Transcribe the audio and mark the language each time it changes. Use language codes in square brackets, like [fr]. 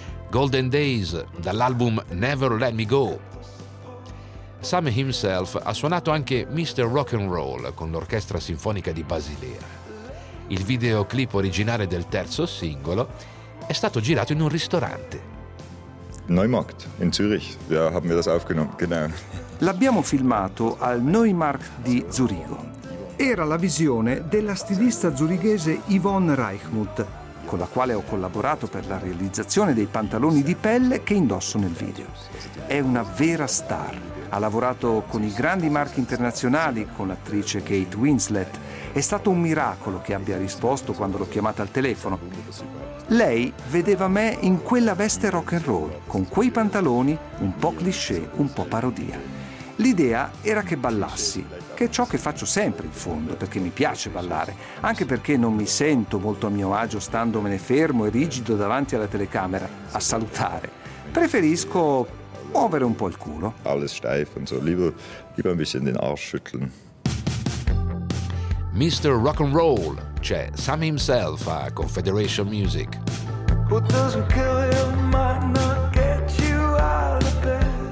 [it] Golden Days dall'album Never Let Me Go. Sam himself ha suonato anche Mr. Rock and Roll con l'Orchestra Sinfonica di Basilea. Il videoclip originale del terzo singolo è stato girato in un ristorante. [de] Neumarkt in Zurich, da haben wir das aufgenommen, genau. [it] L'abbiamo filmato al Neumarkt di Zurigo. Era la visione della stilista zurighese Yvonne Reichmuth, con la quale ho collaborato per la realizzazione dei pantaloni di pelle che indosso nel video. È una vera star. Ha lavorato con i grandi marchi internazionali, con l'attrice Kate Winslet. È stato un miracolo che abbia risposto quando l'ho chiamata al telefono. Lei vedeva me in quella veste rock and roll, con quei pantaloni un po' cliché, un po' parodia. L'idea era che ballassi, che è ciò che faccio sempre in fondo, perché mi piace ballare, anche perché non mi sento molto a mio agio standomene fermo e rigido davanti alla telecamera a salutare. Preferisco muovere un po' il culo. [de] Alles steif und so, lieber ein bisschen den Arsch schütteln. [it] Mr. Rock and Roll, cioè Sam himself a Confederation Music. [en] What doesn't kill him might not get you out of bed.